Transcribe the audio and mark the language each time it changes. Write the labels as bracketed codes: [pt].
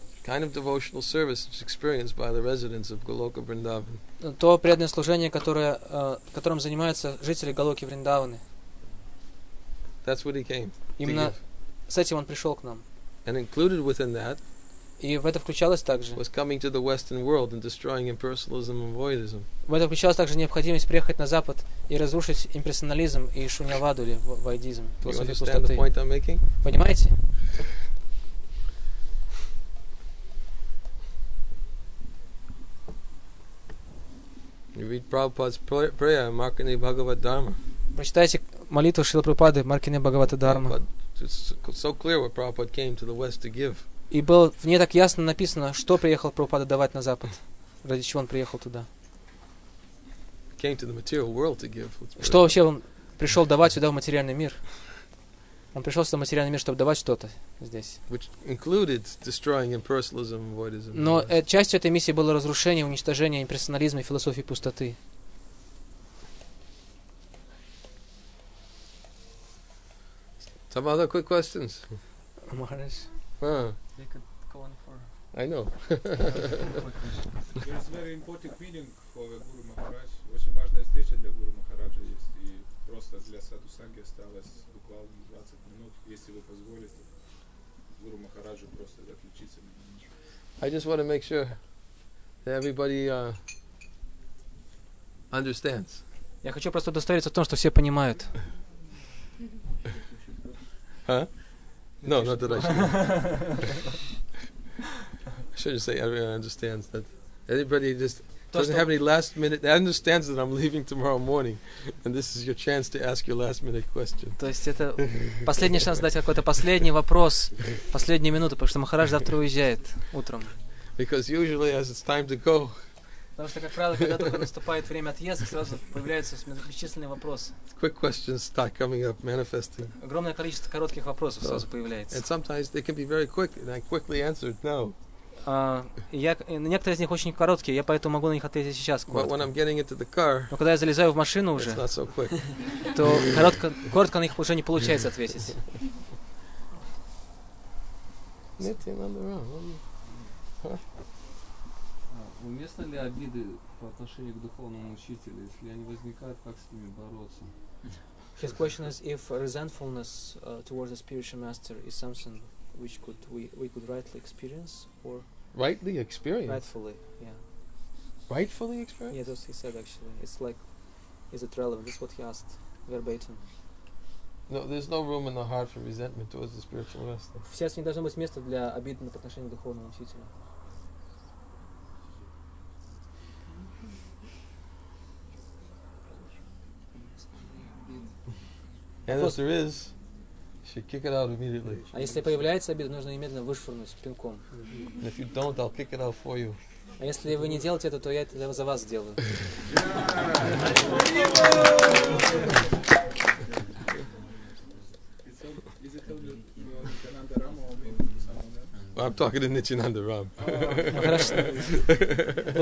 [en] Kind of devotional service is experienced by the residents of Goloka Vrindavan. [ru] То преданное служение, которое, которым занимаются жители Голоки Вриндаваны. [en] That's what he came. [ru] Именно с этим он пришел к нам. [en] And included within that. [ru] И в это включалось также. [en] Was coming to the Western world and destroying impersonalism and voidism. [ru] В это включалась также необходимость приехать на Запад и разрушить имперсонализм и шуньяваду или воидизм. [en] You understand the point I'm making? [ru] Понимаете? [en] You read Prabhupada's prayer, Markandeya Bhagavad Dharma. [ru] Прочитайте молитву Шрилы Прабхупады, Маркандея Бхагавата Дхарма. [en] It's so clear what Prabhupada came to the West to give. [ru] И было в ней так ясно написано, что приехал Прабхупада давать на Запад, ради чего он приехал туда. [en] Came to the material world to give. [ru] Что вообще он пришел давать сюда в материальный мир? Он пришел сюда в материальный мир, чтобы давать что-то здесь. [en] Which included destroying impersonalism and voidism. [ru] Но частью этой миссии было разрушение, уничтожение имперсонализма и философии пустоты. [en] Some other quick questions? Maharaj. They could call on for. I know. There is very important meeting for Guru Maharaj. [ru] Очень важная встреча для Гуру Махараджа есть. И просто для Саду Санги осталось буквально 20 минут, если вы позволите. Гуру Махараджу просто заключиться. [en] I just want to make sure that everybody understands. [ru] Я хочу просто удостовериться в том, что все понимают. [en] Huh? No, not that I should. I should just say everyone understands that. Anybody just doesn't have any last minute. They understands that I'm leaving tomorrow morning, and this is your chance to ask your last minute question. [ru] То есть это последний шанс задать какой-то последний вопрос, последние минуты, потому что Махарадж завтра уезжает утром. [en] Because usually, as it's time to go. [ru] Потому что, как правило, когда только наступает время отъезда, сразу появляются бесчисленные вопросы. [en] Quick questions start coming up, manifesting. [ru] Огромное количество коротких вопросов сразу появляется. [en] And sometimes they can be very quick, and I quickly answered no. [ru] Некоторые из них очень короткие, я поэтому могу на них ответить сейчас коротко. [en] But when I'm getting into the car, [ru] но когда я залезаю в машину уже, [en] it's not so quick. [ru] То коротко на них уже не получается ответить. Нет, ты надо рано. Уместно ли обиды по отношению к духовному учителю, если они возникают, как с ними бороться? [en] His question is if resentfulness towards a spiritual master is something which could we could rightly experience or rightly experience? Rightfully, yeah. Rightfully experience? Yeah, that's what he said actually. It's like, is it relevant? That's what he asked verbatim. No, there's no room in the heart for resentment towards the spiritual master. [ru] В сердце не должно быть места для обид по отношению к духовному учителю. [en] And if there is, you should kick it out immediately. [ru] А если появляется обида, нужно немедленно вышвырнуть пинком. [en] And if you don't, I'll kick it out for you. [ru] А если вы не делаете это, то я это за вас сделаю. [en] Well, I'm talking to Nityananda Ram. [ru] Хорошо.